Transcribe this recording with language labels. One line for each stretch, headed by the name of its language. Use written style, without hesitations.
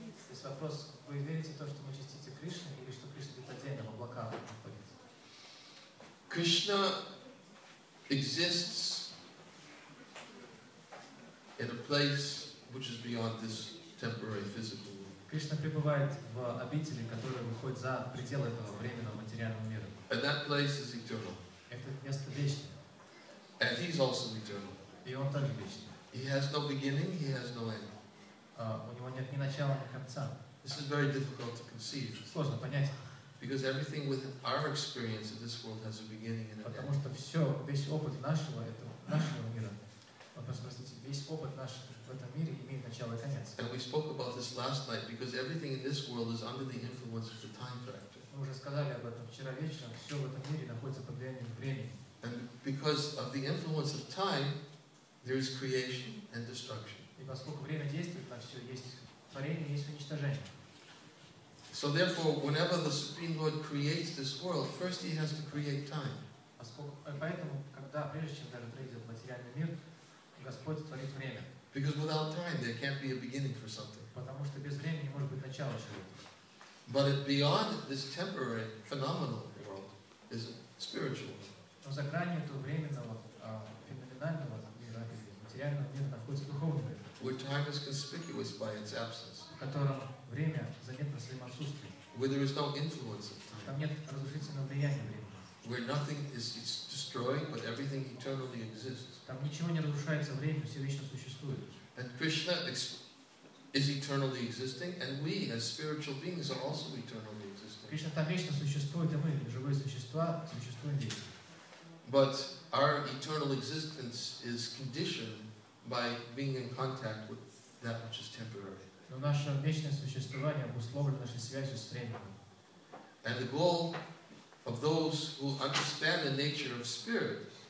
Russian: Есть вопрос, вы верите в то, что мы частицы Кришны, или что Кришна где-то отдельно в облаках находится?
English: Кришна exists in a place which is beyond this temporary physical world.
Russian: Кришна пребывает в обители, которая выходит за пределы этого временного материального мира.
English: And that place is eternal.
Russian: Это место вечное.
English: And he is also eternal.
Russian: И он также вечный.
English: He has no beginning, he has no end.
Russian: У него нет ни начала, ни конца.
English: This is very difficult to conceive.
Russian: Сложно понять.
English: Because everything within our experience of this world has a beginning and an end.
Russian: Потому что все, весь опыт нашего этого, нашего мира, простите, весь опыт наш в этом мире имеет начало и конец.
English: And we spoke about this last night because everything in this world is under the influence of the time factor.
Russian: Мы уже сказали об этом вчера вечером. Все в этом мире находится под влиянием времени.
English: And because of the influence of time, there is creation and destruction.
Russian: И поскольку время действует на все, есть творение, есть уничтожение.
English: So therefore, whenever the Supreme Lord creates this world, first he has to create time.
Russian: Поэтому, когда прежде чем даже творить материальный мир, Господь творит время.
English: Because without time, there can't be a beginning for something.
Russian: Потому что без времени не может быть начала чего-то.
English: But beyond this temporary, phenomenal world is spiritual.
Russian: Но за гранью этого временного, феноменального мира, материального мира находится духовный мир.
English: Where time is conspicuous by its absence.
Russian: В котором время заметно своим отсутствием.
English: Where there is no influence of time.
Russian: Там нет разрушительного влияния времени.
English: Where nothing is destroying, but everything eternally exists.
Russian: Там ничего не разрушается время, все вечно существует.
English: And Krishna is eternally existing, and we, as spiritual beings, are also eternally existing.
Russian: Кришна там вечно существует, а мы, живые существа, существуем здесь.
English: But our eternal existence is conditioned by being in contact with that which is temporary.
Russian: Но наше вечное существование обусловлено нашей связью с временем.
English: And the goal of those who understand the nature of spirit